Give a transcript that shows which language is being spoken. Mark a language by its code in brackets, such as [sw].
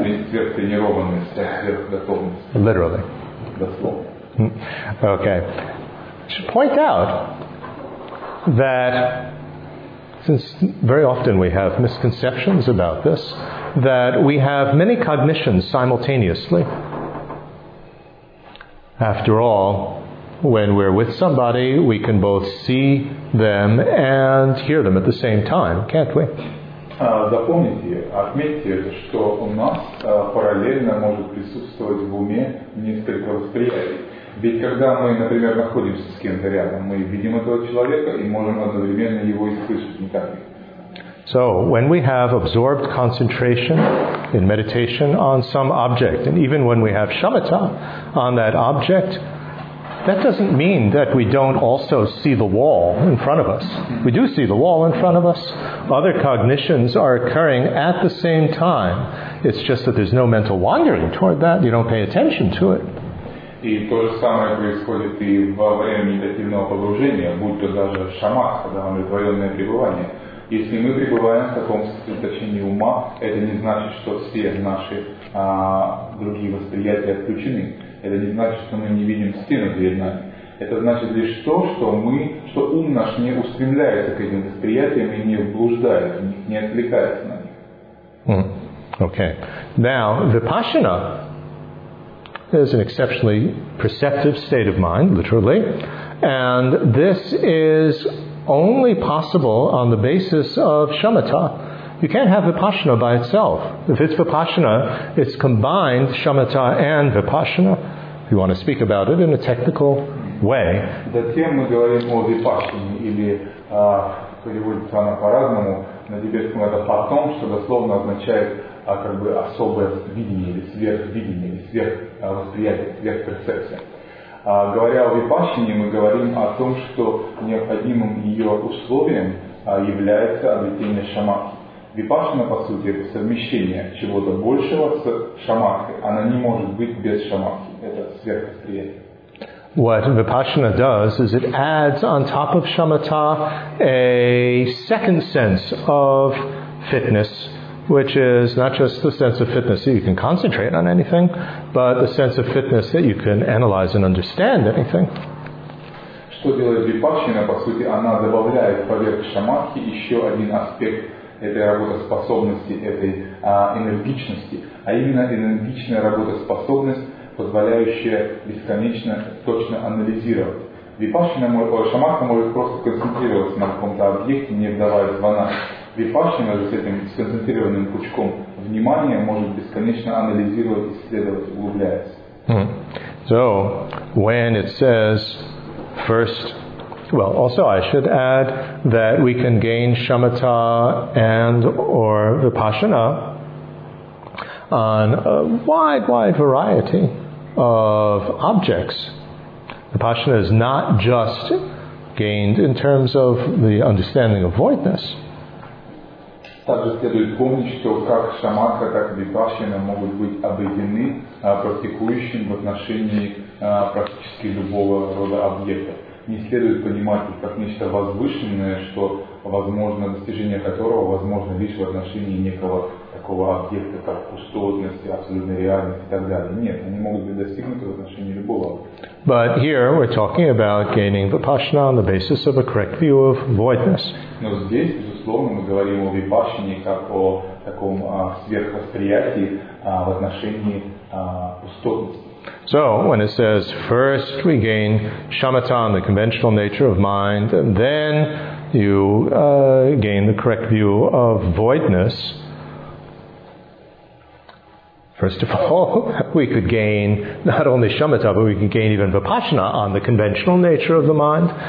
[ru] Сверхтренированность, сверхготовность. [en] Literally. Okay. I should point out that since very often we have misconceptions about this, that we have many cognitions simultaneously. After all, when we're with somebody, we can both see them and hear them at the same time, can't we? [ru] Запомните, отметьте, что у нас параллельно может присутствовать в уме несколько восприятий. Ведь когда мы, например, находимся с кем-то рядом, мы видим этого человека и можем одновременно его и слышать, не так ли? [en] So, when we have absorbed concentration in meditation on some object, and even when we have shamatha on that object, that doesn't mean that we don't also see the wall in front of us. We do see the wall in front of us. Other cognitions are occurring at the same time. It's just that there's no mental wandering toward that. You don't pay attention to it. [ru] И то же самое происходит и во время медитативного погружения, будь то даже шамадха, да, умиротворенное пребывание. Если мы пребываем в таком сосредоточении ума, это не значит, что все наши другие восприятия отключены. Это не значит, что мы не видим стены перед нами. Это значит лишь то, что мы, что ум наш не устремляется к этим восприятиям и не блуждает, не отвлекается на них. [en] Okay. Now, vipassana is an exceptionally perceptive state of mind, literally. And this is only possible on the basis of shamatha. You can't have vipassana by itself. If it's vipassana, it's combined shamatha and vipassana. If you want to speak about it in a technical way. [ru] Затем мы говорим о випассане, или переводится она по-разному. На тибетском это потом, что дословно означает как бы особое видение, или сверхвосприятие, сверхперцепция. Говоря о випассане, мы говорим о том, что необходимым ее условием является обретение шамадхи. Випассана, по сути, это совмещение чего-то большего с шамадхой. Она не может быть без шамадхи. Это сверхвосприятие. [en] What Vipassana does is it adds on top of shamatha a second sense of fitness, which is not just the sense of fitness that you can concentrate on anything, but the sense of fitness that you can analyze and understand anything. [ru] Что делает Vipassana? По сути, она добавляет поверх шамадхи еще один аспект этой работоспособности, этой энергичности, а именно энергичная работоспособность, позволяющая бесконечно точно анализировать. Випассана шамадха может просто концентрироваться на каком-то объекте, не вдаваясь в анализ. Випассана же с этим сконцентрированным пучком внимания может бесконечно анализировать, исследовать, углубляясь. [en] So, when it says first, well, also I should add that we can gain shamatha and or vipassana on a wide variety of objects. Vipassana is not just gained in terms of the understanding of voidness. [ru] Также следует помнить, что как шамадха, так и випассана могут быть обретены практикующим в отношении практически любого рода объекта. Не следует понимать их как нечто возвышенное, что возможно достижение которого возможно лишь в отношении некого такого объекта, как пустотность, абсолютная реальность и так далее. Нет, они могут быть достигнуты в отношении любого. [en] But here we're talking about gaining vipassana on the basis of a correct view of voidness. [ru] Но здесь, безусловно, мы говорим о випассане как о таком сверхвосприятии в отношении пустотности. [en] So, when it says, first we gain shamatha, the conventional nature of mind, and then you gain the correct view of voidness, first of all, we could gain not only shamatha, but we could gain even vipassana on the conventional nature of the mind.